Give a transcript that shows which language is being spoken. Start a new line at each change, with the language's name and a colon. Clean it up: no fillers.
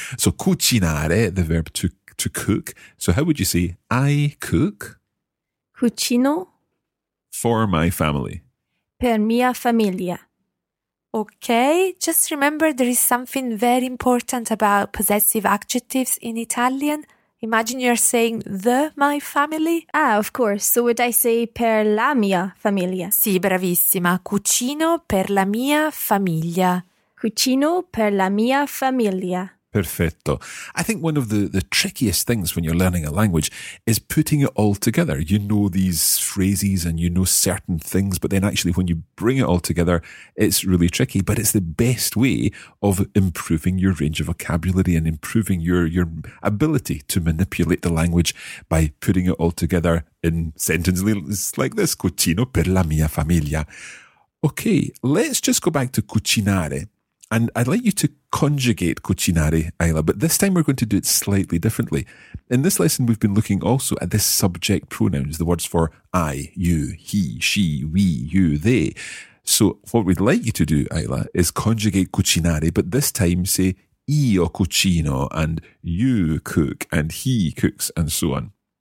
English: So cucinare, the verb to cook. So how would you say, I cook?
Italian: Cucino.
English: For my family.
Italian: Per mia famiglia.
English: Okay, just remember there is something very important about possessive adjectives in Italian. Imagine you're saying the my family. Ah, of course. So would I say
Italian: per la mia famiglia? Sì, bravissima. Cucino per la mia famiglia. Cucino per la mia famiglia. Perfetto.
English: I think one of the trickiest things when you're learning a language is putting it all together. You know these phrases and you know certain things, but then actually when you bring it all together, it's really tricky. But it's the best way of improving your range of vocabulary and improving your ability to manipulate the language by putting it all together in sentences like this.
Italian: Cucino per la mia famiglia.
English: Okay, let's just go back to cucinare. And I'd like you to conjugate cucinare, Ayla, but this time we're going to do it slightly differently. In this lesson, we've been looking also at the subject pronouns, the words for I, you, he, she, we, you, they. So what we'd like you to do, Ayla, is conjugate cucinare, but this time say
Italian: io cucino
English: and you cook and he cooks and so on.